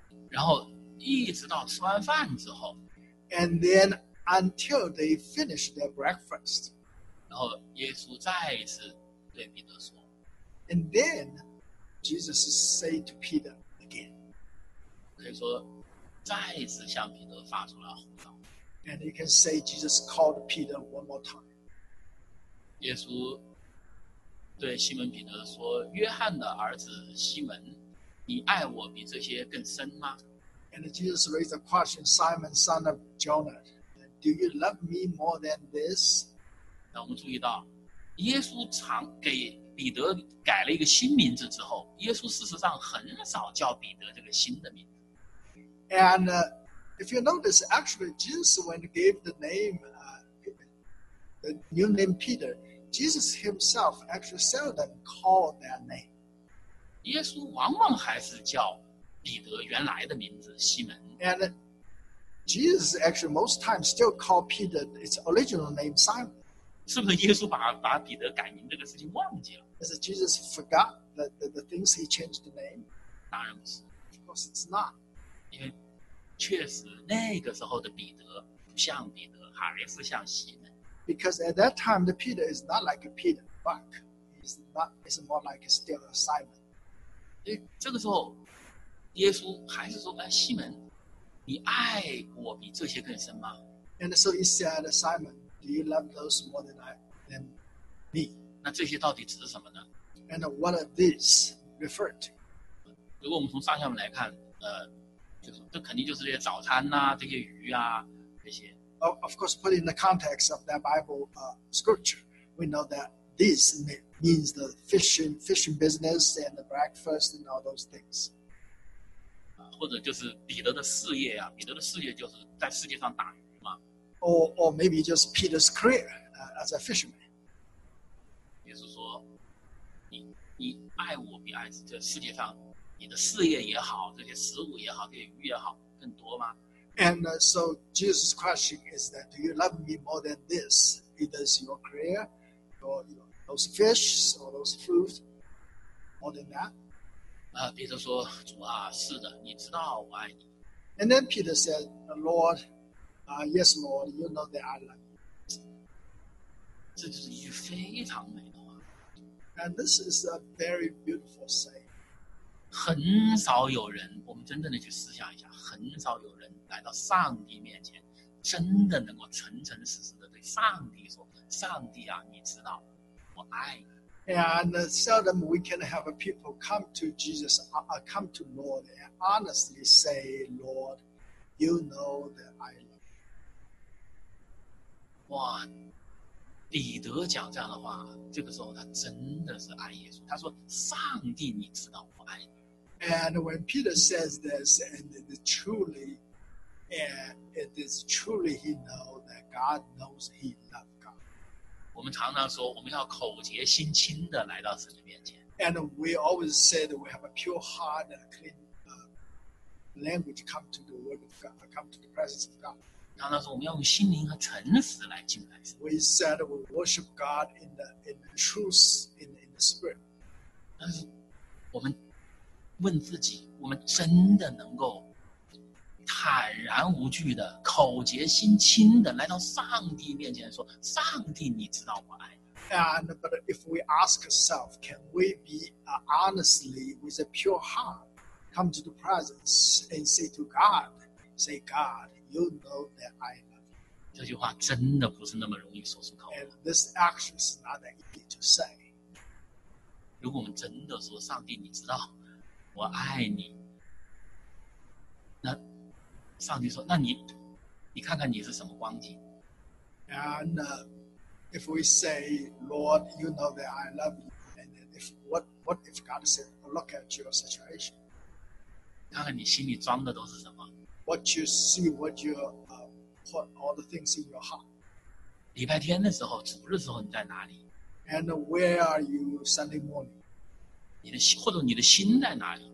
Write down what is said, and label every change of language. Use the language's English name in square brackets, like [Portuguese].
[Chinese] 然后一直到吃完饭之后。 [English] And then until they finish their breakfast. [Chinese] 然后耶稣再一次对彼得说。 [English] And then Jesus said to Peter again. [Chinese] 可以说再一次向彼得发出了呼召。 [English] And you can say Jesus called Peter one more time. [Chinese] 耶稣对西门彼得说：“约翰的儿子西门，你爱我比这些更深吗？” [English] And Jesus raised a question, Simon, son of Jonah, do you love me more than this? [Chinese] 那我们注意到，耶稣常给彼得改了一个新名字之后，耶稣事实上很少叫彼得这个新的名字。 [English] And If you notice, actually, Jesus, when he gave the name, the new name Peter, Jesus himself actually seldom called that name. [Chinese] 耶稣往往还是叫彼得原来的名字西门。 [English] And Jesus actually most times still called Peter its original name Simon. [Chinese] 是不是耶稣把彼得改名这个事情忘记了？ [English] Is it Jesus forgot the things he changed the name? [Chinese] 当然不是。 [English] Of course, it's not. [Chinese] 确实那个时候的彼得不像彼得，还是像西门。 [English] Because at that time, the Peter is not like a Peter, but it's more like still a Simon. [Chinese] 这个时候耶稣还是说，西门，你爱我比这些更深吗？ [English] And so he said, Simon, do you love those more than me? [Chinese] 那这些到底指的什么呢？ [English] And what are these referred to? [Chinese] 如果我们从上下文来看，这肯定就是这些早餐啊，这些鱼啊，这些。 [English] Of course, put in the context of that Bible scripture, we know that this means the fishing business and the breakfast and all those things. [Chinese] 或者就是彼得的事业啊，彼得的事业就是在世界上打鱼嘛。 [English] Or maybe just Peter's career as a fisherman. [Chinese] 耶稣说，你爱我比爱这世界上你的事业也好，这些食物也好，这些鱼也好更多吗？ [English] And so Jesus' question is that do you love me more than this? Either your career, or you know, those fish, or those fruit, more than that? [Chinese] 彼得说，主啊，是的，你知道我爱你。 [English] And then Peter said, Lord, yes, Lord, you know that I love you. [Chinese] 这就是一句非常美的话。 [English] And this is a very beautiful saying. [Chinese] 很少有人，我们真正的去思想一下，很少有人来到上帝面前，真的能够诚诚实实的对上帝说，上帝啊，你知道我爱你。 [English] And seldom we can have a people come to Jesus, come to Lord and honestly say, Lord, you know that I love you. [Chinese] 哇，彼得讲这样的话，这个时候他真的是爱耶稣。他说，上帝，你知道我爱你。 [English] And when Peter says this, and it is truly, he knows that God knows he loves. [Chinese] 我们常常说我们要口洁心清的来到神的面前。 [English] And we always say that we have a pure heart and a clean language come to the word of God, come to the presence of God. [Chinese] 常常说我们要用心灵和诚实来敬拜神。 [English] We said we worship God in the truth, in the spirit. [Chinese] 但是我们问自己，我们真的能够坦然无惧的口洁心清的来到上帝面前说，上帝你知道我爱你。 [English] And but if we ask ourselves, can we be honestly with a pure heart come to the presence and say to God, say God, you know that I love you. [Chinese] 这句话真的不是那么容易说出口。 [English] And this action is not that easy to say. [Chinese] 如果我们真的说上帝你知道我爱你，那上帝说，那你看看你是什么光景。 [English] And if we say, Lord, you know that I love you, and if, what if God said, look at your situation. [Chinese] 看看你心里装的都是什么。 [English] What you see, what you put all the things in your heart. [Chinese] 礼拜天的时候，主日的时候你在哪里。 [English] And where are you Sunday morning? [Chinese] 你的或者你的心在哪里。